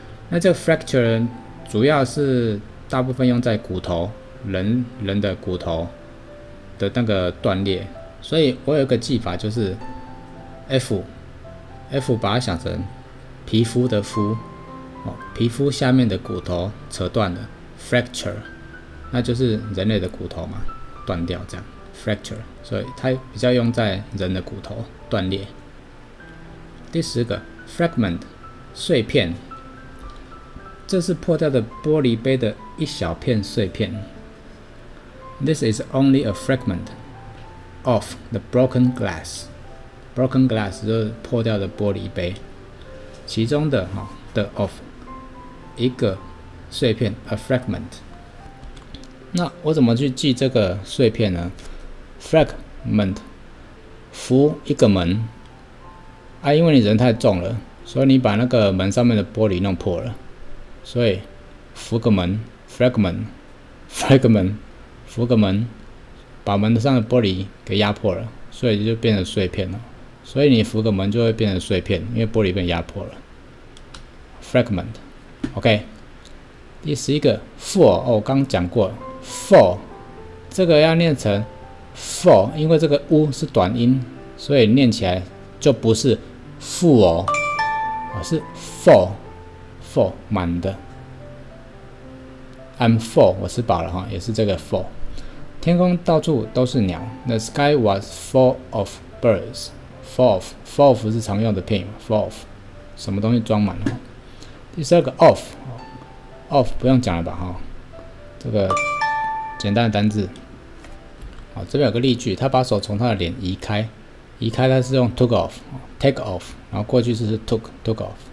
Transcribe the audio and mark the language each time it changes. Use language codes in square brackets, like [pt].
[zh] 那这个 fracture 主要是大部分用在骨头，人的骨头的那个断裂，所以我有一个技法，就是 F 把它想成皮肤的肤，皮肤下面的骨头扯断了 fracture， 那就是人类的骨头嘛，断掉这样fracture， 所以它比较用在人的骨头断裂。第十个 fragment 碎片，这是破掉的玻璃杯的一小片碎片。 [en] This is only a fragment of the broken glass. [zh] Broken glass 就是破掉的玻璃杯，其中的哈的 of 一个碎片 a fragment。那我怎么去记这个碎片呢 ？Fragment， 扶一个门啊，因为你人太重了，所以你把那个门上面的玻璃弄破了，所以扶个门 ，fragment。扶个门，把门上的玻璃给压破了，所以就变成碎片了。所以你扶个门就会变成碎片，因为玻璃被压破了。Fragment， OK。第十一个 ，for， 哦，我刚讲过 ，for， 这个要念成 for， 因为这个 u 是短音，所以念起来就不是 for， 而是 for， 满的。 [en] I'm full， [zh] 我吃饱了哈，也是这个 full。天空到处都是鸟 [en] ，The sky was full of birds. [zh] Full of 是常用的片语 ，full of 什么东西装满了。第十二个 of 不用讲了吧哈，这个简单的单字。好，这边有个例句，他把手从他的脸移开，移开他是用 took off， 然后过去式是 took off。